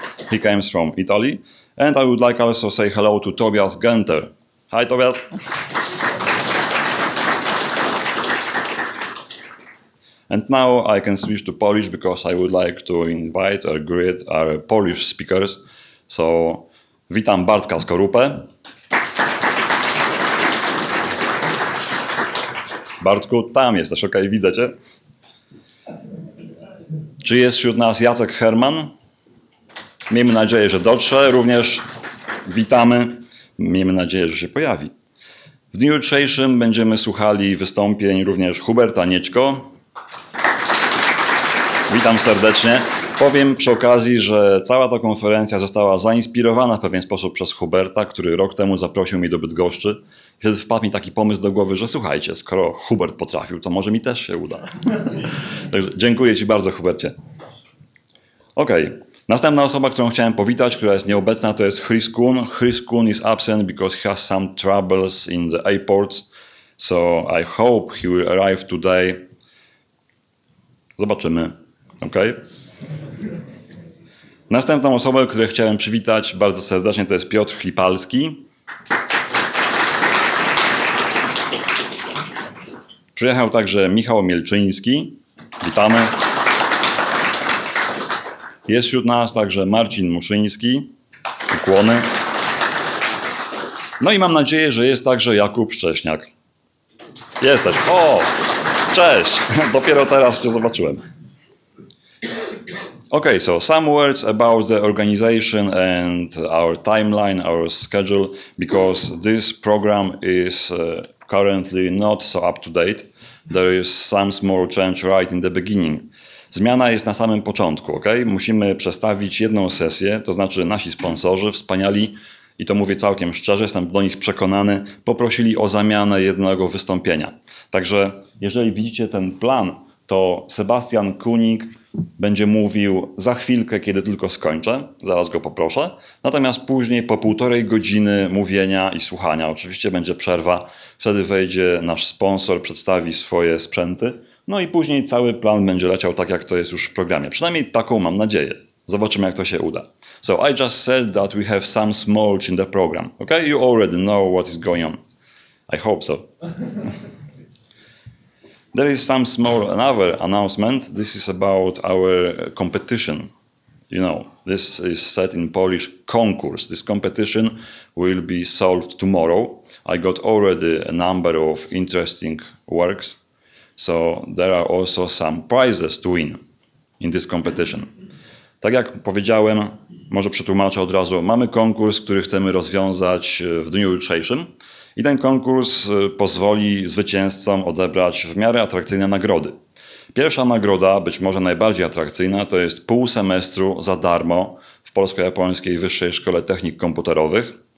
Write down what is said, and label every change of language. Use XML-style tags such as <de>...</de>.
<en>He came from Italy. And I would like also say hello to Tobias Genter. Hi, Tobias. And now I can switch to Polish because I would like to invite or greet our Polish speakers.</en> <pl>So, witam Bartka Skorupę. Bartku, tam jesteś, ok, widzę cię. Czy jest wśród nas Jacek Herman? Miejmy nadzieję, że dotrze. Również witamy. Miejmy nadzieję, że się pojawi. W dniu jutrzejszym będziemy słuchali wystąpień również Huberta Niećko. Witam serdecznie. Powiem przy okazji, że cała ta konferencja została zainspirowana w pewien sposób przez Huberta, który rok temu zaprosił mnie do Bydgoszczy. Wtedy wpadł mi taki pomysł do głowy, że słuchajcie, skoro Hubert potrafił, to może mi też się uda. Także dziękuję ci bardzo, Hubercie. Okej. Okay. Następna osoba, którą chciałem powitać, która jest nieobecna, to jest Chris Kuhn.</pl> <en>Chris Kuhn is absent because he has some troubles in the airports. So I hope he will arrive today.</en> <pl>Zobaczymy. Okay. Następną osobę, której chciałem przywitać bardzo serdecznie, to jest Piotr Chlipalski. Przyjechał także Michał Mielczyński. Witamy. Jest wśród nas także Marcin Muszyński. Ukłony. No i mam nadzieję, że jest także Jakub Szcześniak. Jesteś. O! Cześć! Dopiero teraz cię zobaczyłem.</pl> <en>Okay, so some words about the organization and our timeline, our schedule, because this program is currently not so up to date. There is some small change right in the beginning.</en> <pl>Zmiana jest na samym początku, okay? Musimy przestawić jedną sesję, to znaczy nasi sponsorzy, wspaniali, i to mówię całkiem szczerze, jestem do nich przekonany, poprosili o zamianę jednego wystąpienia. Także jeżeli widzicie ten plan, to Sebastian Kunig będzie mówił za chwilkę, kiedy tylko skończę, zaraz go poproszę. Natomiast później po półtorej godziny mówienia i słuchania, oczywiście będzie przerwa, wtedy wejdzie nasz sponsor, przedstawi swoje sprzęty, no i później cały plan będzie leciał tak, jak to jest już w programie. Przynajmniej taką mam nadzieję. Zobaczymy, jak to się uda.</pl> <en>So I just said that we have some small in the program. Okay, you already know what is going on. I hope so. There is some small another announcement. This is about our competition. You know, this is said in Polish konkurs. This competition will be solved tomorrow. I got already a number of interesting works. So there are also some prizes to win in this competition.</en> <pl>Tak jak powiedziałem, może przetłumaczę od razu. Mamy konkurs, który chcemy rozwiązać w dniu jutrzejszym. I ten konkurs pozwoli zwycięzcom odebrać w miarę atrakcyjne nagrody. Pierwsza nagroda, być może najbardziej atrakcyjna, to jest pół semestru za darmo w Polsko-Japońskiej Wyższej Szkole Technik Komputerowych.</pl>